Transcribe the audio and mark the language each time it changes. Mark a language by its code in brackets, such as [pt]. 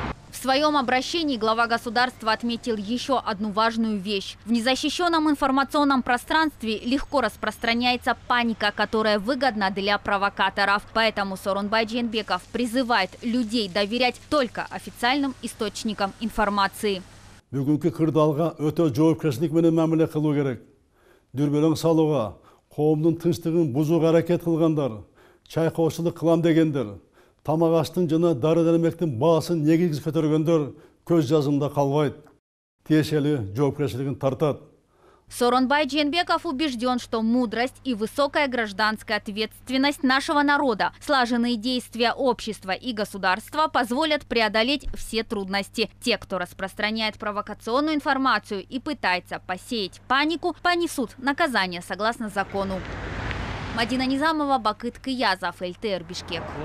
[ru] В своем обращении глава государства отметил еще одну важную вещь. В незащищенном информационном пространстве легко распространяется паника, которая выгодна для провокаторов. Поэтому Сооронбай Жээнбеков призывает людей доверять только официальным источникам информации. [ky] Бүгүнкү кырдаалга өтө жоопкерчилик менен мамиле кылуу керек. Дүрбөлөң салууга, коомдун тынчтыгын бузууга аракет кылгандар, чайкоочулук кылам дегендер, тамак аштын жана дары-дармектин баасын негизги көтөргөндөр көз жазында калбайт. Тиешелүү жоопкерчилигин тартат. [ru] Сооронбай Жээнбеков убежден, что мудрость и высокая гражданская ответственность нашего народа, слаженные действия общества и государства позволят преодолеть все трудности. Те, кто распространяет провокационную информацию и пытается посеять панику, понесут наказание согласно закону. Мадина Низамова, Бакыт Кыязов, ЛТР, Бишкек.